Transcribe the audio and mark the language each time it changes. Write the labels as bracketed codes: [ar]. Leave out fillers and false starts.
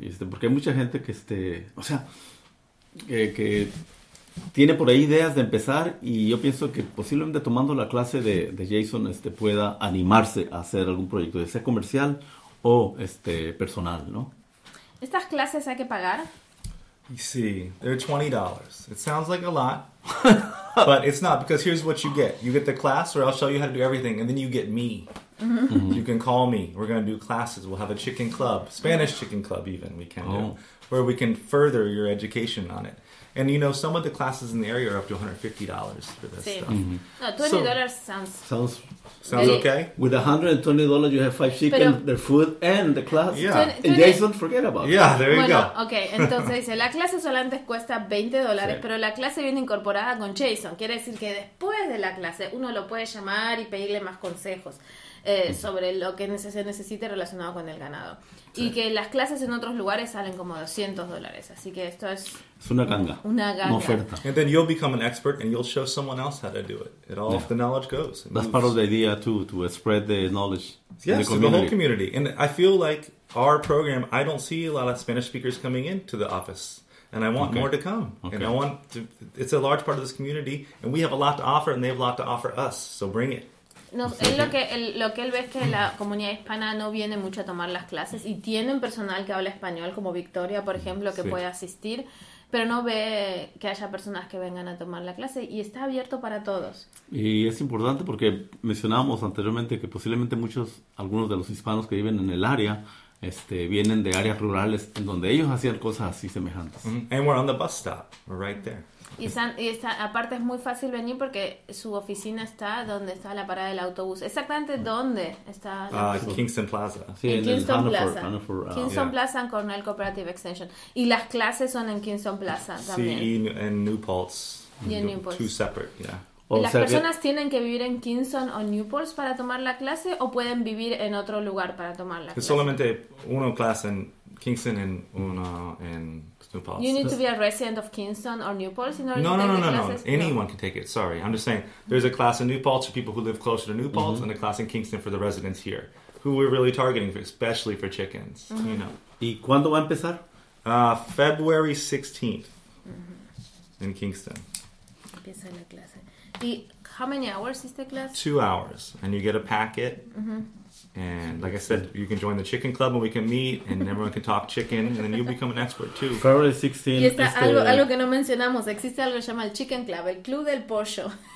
[es] Porque hay mucha gente que, o sea, que tiene por ahí ideas de empezar, y yo pienso que posiblemente tomando la clase de Jason pueda animarse a hacer algún proyecto, ya sea comercial o personal, ¿no? ¿Estas clases hay que pagar? Sí, [en] they're $20. It sounds like a lot, but it's not, because here's what you get. You get the class, or I'll show you how to do everything, and then you get me. Mm-hmm. You can call me. We're going to do classes. We'll have a chicken club, Spanish chicken club even, we can do, where we can further your education on it. And, you know, some of the classes in the area are up to $150 for this stuff. Mm-hmm. $20 sounds... Sounds very, okay? With $120, you have 5 chicken, their food, and the class. Yeah. And Jason, forget about it. Yeah, there you go. [es] Okay, entonces dice, la clase solamente cuesta $20, pero la clase viene incorporada con Jason. Quiere decir que después de la clase, uno lo puede llamar y pedirle más consejos. Sobre lo que se necesite relacionado con el ganado. Sí. Y que las clases en otros lugares salen como $200. Así que esto es... Es una ganga. Una oferta. [en] And then you'll become an expert and you'll show someone else how to do it. It all, yeah. The knowledge goes. That's part of the idea too, to spread the knowledge. Yes, to the whole community. And I feel like our program, I don't see a lot of Spanish speakers coming into the office. And I want more to come. Okay. And I want to... It's a large part of this community. And we have a lot to offer and they have a lot to offer us. So bring it. [es] No, es lo que él ve, es que la comunidad hispana no viene mucho a tomar las clases, y tienen personal que habla español, como Victoria, por ejemplo, que puede asistir, pero no ve que haya personas que vengan a tomar la clase, y está abierto para todos. Y es importante porque mencionábamos anteriormente que posiblemente algunos de los hispanos que viven en el área, vienen de áreas rurales en donde ellos hacían cosas así semejantes. [en] And we're on the bus stop, we're right there. [es] Y está, aparte es muy fácil venir porque su oficina está donde está la parada del autobús. Exactamente, ¿dónde está? Kingston Plaza. Sí, en Kingston Hanover, Plaza. Plaza en Cornell Cooperative Extension. Y las clases son en Kingston Plaza también. Sí, y en New Paltz. Y en New Paltz. [en] Two separate, yeah. [es] ¿Las personas tienen que vivir en Kingston o New Paltz para tomar la clase, o pueden vivir en otro lugar para tomar la clase? Solamente una clase en Kingston y una en New Paltz. [en] You need to be a resident of Kingston or New Paltz in order No. Anyone can take it. Sorry. I'm just saying there's a class in New Paltz for people who live closer to New Paltz, mm-hmm. and a class in Kingston for the residents here, who we're really targeting, for, especially for chickens, mm-hmm. you know. [es] ¿Y cuándo va a empezar? [en] February 16th mm-hmm. in Kingston. [es] Empieza la clase. ¿Y [en] how many hours is the class? 2 hours. And you get a packet. Mm-hmm. And like I said, you can join the chicken club and we can meet and everyone can talk chicken. And then you'll become an expert too. February 16th. [es] Y está algo que no mencionamos. Existe algo que se llama el chicken club, el club del pollo.